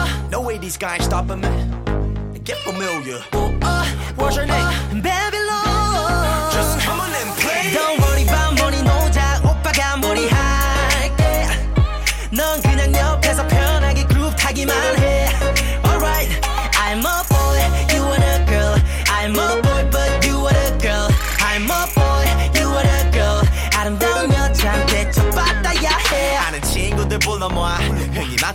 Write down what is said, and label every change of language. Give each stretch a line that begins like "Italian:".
English: No way these guys stop me. Get familiar. What's your name? Babylon. Just come on and play. Don't worry about money, no doubt.
Korean: 오빠가 머리 할게. 넌 그냥 옆에서 편하게 groove 타기만 해.
English: Alright, I'm a boy, you are a girl. I'm a boy, but you are a girl. I'm a boy, you are a girl.
Korean: 아름다운 여자한테 좀 받아야 해. 아는 친구들 불러 모아 흥이 많.